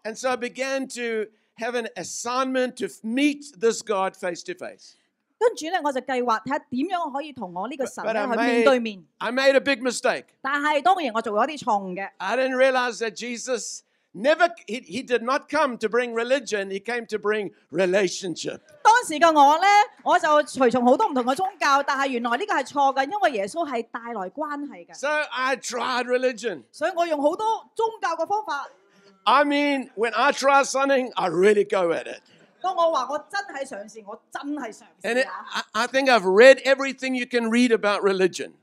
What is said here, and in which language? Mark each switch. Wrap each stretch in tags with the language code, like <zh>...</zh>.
<en>And so I began to have an assignment to meet this God face to face.</en> <yue>跟住咧，我就计划睇下点样可以同我呢个神咧去面对面。</yue> <en>I made a big mistake.</en> <yue>但系当然我做咗啲错误嘅。</yue> <en>I didn't realize that Jesus. Never, he did not come to bring religion. He came to bring relationship.</en> <yue>当时嘅我咧，我就随从好多唔同嘅宗教，但系原来呢个系错嘅，因为耶稣系带来关系嘅。</yue> <en>So I tried religion.</en> <yue>所以我用好多宗教嘅方法。</yue> <en>I mean, when I try something, I really go at it.</en> <yue>当我话我真系尝试，我真系尝试啊。</yue> <en>And it, I think I've read everything you can read about religion.</en>